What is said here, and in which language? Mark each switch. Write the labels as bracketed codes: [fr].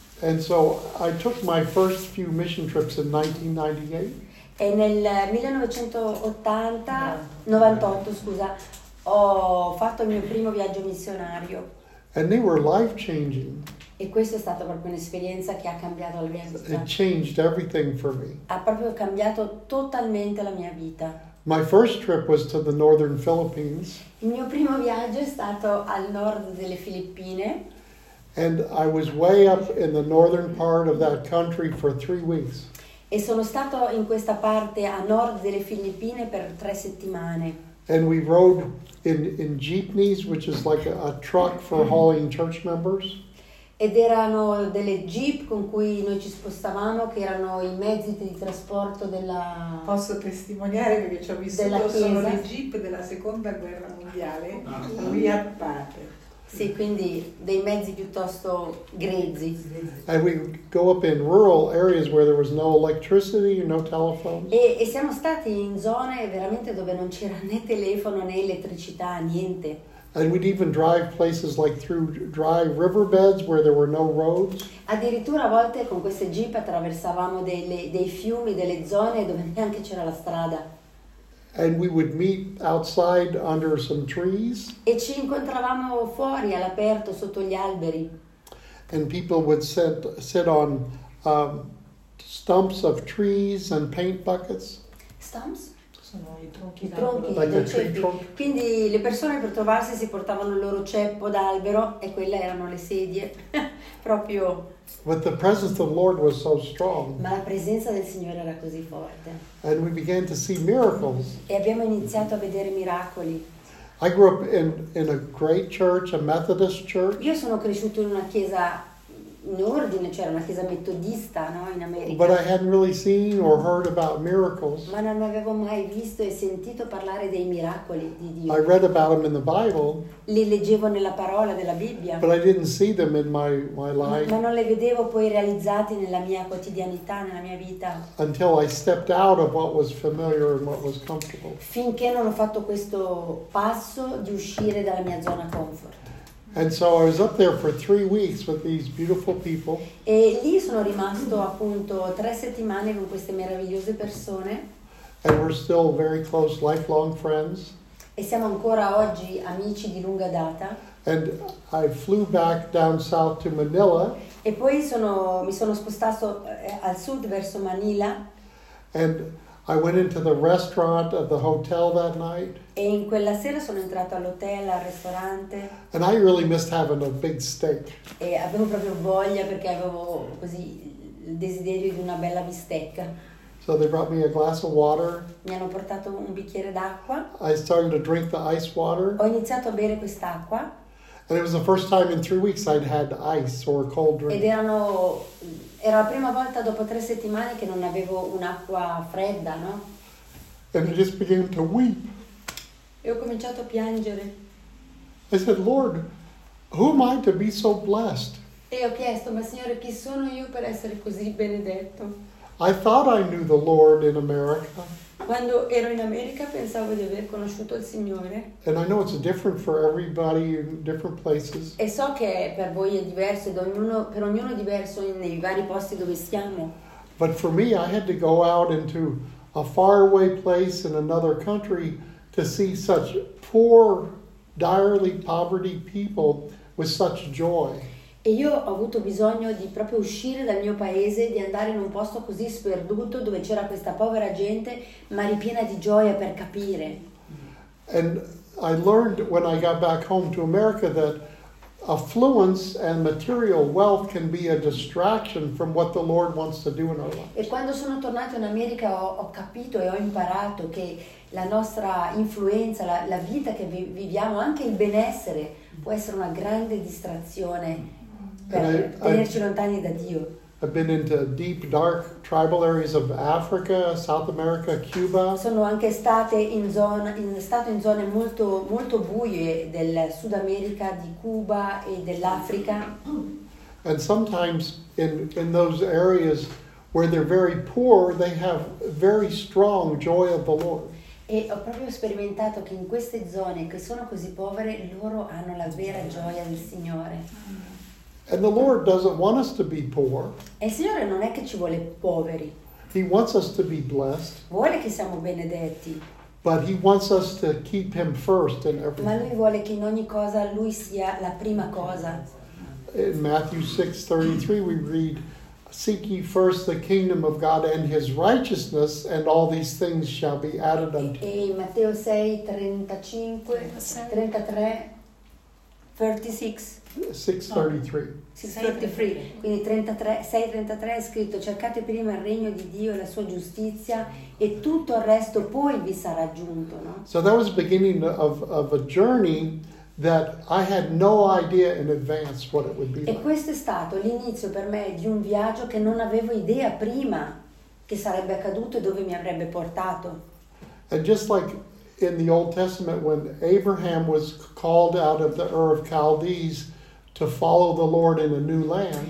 [en] And so I took my first few mission trips in 1998. [it] E nel 98, scusa, ho fatto il mio primo viaggio missionario. [en] And they were life-changing. [it] E questa è stata proprio un'esperienza che ha cambiato la mia vita. [en] It changed everything for me. [it] Ha proprio cambiato totalmente la mia vita. [en] My first trip was to the northern Philippines. [it] Il mio primo viaggio è stato al nord delle Filippine. [en] And I was way up in the northern part of that country for 3 weeks. [it] E sono stato in questa parte a nord delle Filippine per 3 settimane. [en] And we rode in jeepneys, which is like a truck for hauling church members. [it] Ed erano delle jeep con cui noi ci spostavamo, che erano i mezzi di trasporto della... Posso testimoniare, perché ci ho visto solo le jeep della seconda guerra mondiale, qui a parte. Sì, quindi dei mezzi piuttosto grezzi. [en] And we go up in rural areas where there was no electricity, no telephones. [it] E siamo stati in zone veramente dove non c'era né telefono né elettricità, niente. [en] And we'd even drive places like through dry riverbeds where there were no roads. [it] Addirittura a volte con queste jeep attraversavamo dei fiumi, delle zone dove neanche c'era la strada. [en] And we would meet outside under some trees. [it] E ci incontravamo fuori all'aperto sotto gli alberi. [en] And people would sit on stumps of trees and paint buckets. Stumps? [it] Sono i tronchi d'albero. [en] Like tree trunk. [it] Quindi le persone per trovarsi si portavano il loro ceppo d'albero e quelle erano le sedie. Proprio. [en] But the presence of the Lord was so strong. [it] Ma la presenza del Signore era così forte. [en] And we began to see miracles. [it] E abbiamo iniziato a vedere miracoli. [en] I grew up in a great church, a Methodist church. [it] Io sono cresciuto in una chiesa in ordine, cioè una chiesa metodista, no, in America. [en] But I hadn't really seen or heard about miracles. [it] Ma non avevo mai visto e sentito parlare dei miracoli di Dio. [en] I read about them in the Bible. [it] Li leggevo nella parola della Bibbia. [en] But I didn't see them in my life. [it] Ma non le vedevo poi realizzati nella mia quotidianità, nella mia vita. [en] Until I stepped out of what was familiar and what was comfortable. [it] Finché non ho fatto questo passo di uscire dalla mia zona comfort. [en] And so I was up there for 3 weeks with these beautiful people. [it] E lì sono rimasto appunto 3 settimane con queste meravigliose persone. [en] And we're still very close, lifelong friends. [it] E siamo ancora oggi amici di lunga data. [en] And I flew back down south to Manila. [it] E poi mi sono spostato al sud verso Manila. [en] And I went into the restaurant of the hotel that night. [it] E in quella sera sono entrato all'hotel, al ristorante. [en] And I really missed having a big steak. [it] E avevo proprio voglia perché avevo così il desiderio di una bella bistecca. [en] So they brought me a glass of water. [it] Mi hanno portato un bicchiere d'acqua. [en] I started to drink the ice water. [it] Ho iniziato a bere quest'acqua. [en] And it was the first time in 3 weeks I'd had ice or a cold drink. [it] Era la prima volta dopo 3 settimane che non avevo un'acqua fredda, no? [en] And I just began to weep. [it] E ho cominciato a piangere. [en] I said, Lord, who am I to be so blessed? [it] E ho chiesto, ma Signore, chi sono io per essere così benedetto? [en] I thought I knew the Lord in America. [it] Quando ero in America pensavo di aver conosciuto il Signore. [en] And I know it's different for everybody in different places. [it] E so che per voi è diverso, per ognuno è diverso nei vari posti dove siamo. [en] But for me I had to go out into a faraway place in another country to see such poor, direly poverty people with such joy. [it] E io ho avuto bisogno di proprio uscire dal mio paese, di andare in un posto così sperduto dove c'era questa povera gente, ma ripiena di gioia per capire. [en] And I learned when I got back home to America that affluence and material wealth can be a distraction from what the Lord wants to do in our lives. [it] E quando sono tornato in America ho capito e ho imparato che la nostra influenza, la vita che viviamo, anche il benessere, può essere una grande distrazione. [en] I've been into deep, dark tribal areas of Africa, South America, Cuba. [it] Sono anche stato in zone molto molto buie del Sud America, di Cuba e dell'Africa. [en] And sometimes in those areas where they're very poor, they have very strong joy of the Lord. [it] E ho proprio sperimentato che in queste zone che sono così povere, loro hanno la vera gioia del Signore. [en] And the Lord doesn't want us to be poor. [it] E il Signore non è che ci vuole poveri. [en] He wants us to be blessed. [it] Vuole che siamo benedetti. [en] But he wants us to keep him first in everything. [it] Ma lui vuole che in ogni cosa lui sia la prima cosa. [en] in Matthew 6:33 we read, "Seek ye first the kingdom of God and his righteousness, and all these things shall be added unto you." [it] In Matteo 6:33 è scritto: cercate prima il regno di Dio e la sua giustizia e tutto il resto poi vi sarà aggiunto, no? [en] So that was the beginning of a journey that I had no idea in advance what it would be like. [it] E questo è stato l'inizio per me di un viaggio che non avevo idea prima che sarebbe accaduto e dove mi avrebbe portato. [en] And just like in the Old Testament when Abraham was called out of the Ur of Chaldees to follow the Lord in a new land.